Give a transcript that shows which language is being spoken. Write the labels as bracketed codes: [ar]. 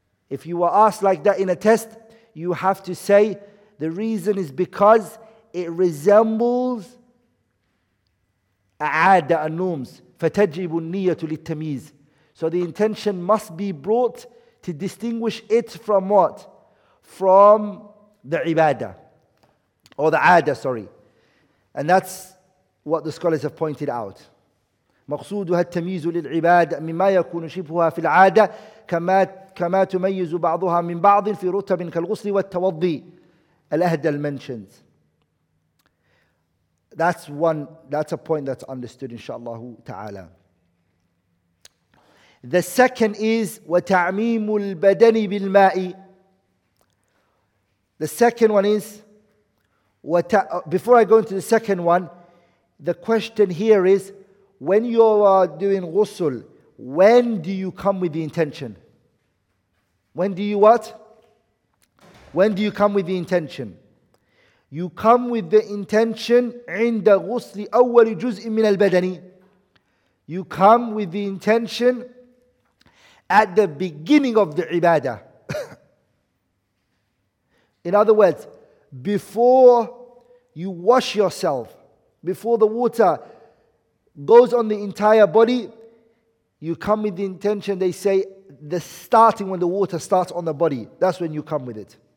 [en] If you were asked like that in a test, you have to say, the reason is because it resembles a'ada an-nums. [ar] فَتَجِبُ النِّيَّةُ لِلْتَمِيزِ. [en] So the intention must be brought to distinguish it from what? From the ibadah. Or the ada, sorry. And that's what the scholars have pointed out. [ar] مقصودها التمييز للعبادة مما يكون شبهها في العادة كما تميز بعضها من بعض في رتب كالغسل والتوضي. [en] الأهدل mentions. That's a point that's understood, inshallah ta'ala. The second is [ar] وتعميم البدن بالماء. [en] The second one is, before I go into the second one, the question here is, when you are doing ghusl, when do you come with the intention? When do you what? When do you come with the intention? You come with the intention [ar] عند غسل أول جزء من البدن. [en] You come with the intention at the beginning of the ibadah. In other words, before you wash yourself, before the water goes on the entire body, you come with the intention, they say, the starting when the water starts on the body, that's when you come with it.